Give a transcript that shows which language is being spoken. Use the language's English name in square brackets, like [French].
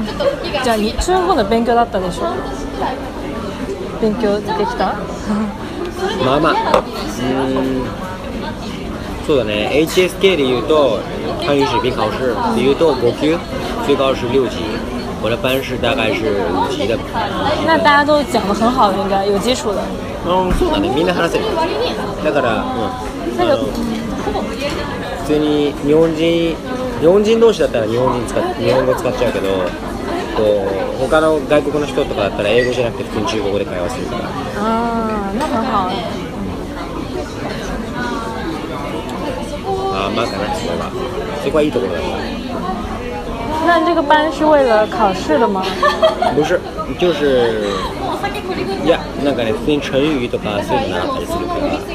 [Japanese] じゃあ中国の勉強だったでしょ。勉強できた？まあまあ、そうだね。 HSK で言うと、汉语水平考试で言うと5級、 [Chinese] 最高是6級。我的班是大概是5級的。那大家都讲得很好，应该有基础的。 [Japanese] そうだね。みんな話せる。だから、うん。普通に日本人同士だったら日本語使っちゃうけど。他の外国の人とかだったら英語じゃなくて普通に中国語で会話するから。 [Chinese] ああ、那很好。 [Japanese] ああ、まあかな、それは。そこはいいところだ。 [Chinese] 那这个班是为了考试的吗？不是，就是， [Japanese] いや、なんかね、普通に成语とかそういうのあったりするから。